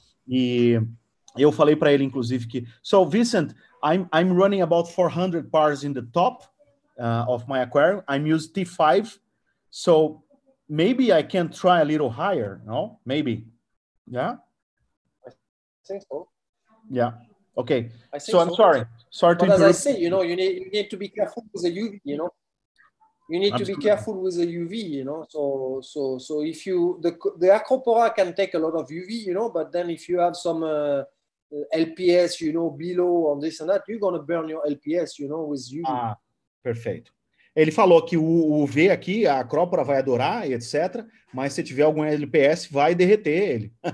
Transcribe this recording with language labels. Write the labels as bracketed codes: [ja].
[pt] E eu falei para ele, inclusive, que... [en] So, Vincent, I'm running about 400 pars in the top. Of my aquarium, I'm using T5, so maybe I can try a little higher, no? Maybe, yeah? I think so. Yeah, okay. Sorry to interrupt. But as I say, you know, you need to be careful with the UV, you know? You need to be careful with the UV, you know? So if you, the acropora can take a lot of UV, you know, but then if you have some LPS, you know, below on this and that, you're going to burn your LPS, you know, with UV. [pt] Perfeito. Ele falou que o UV aqui, a acrópora vai adorar, etc. Mas se tiver algum LPS, vai derreter ele.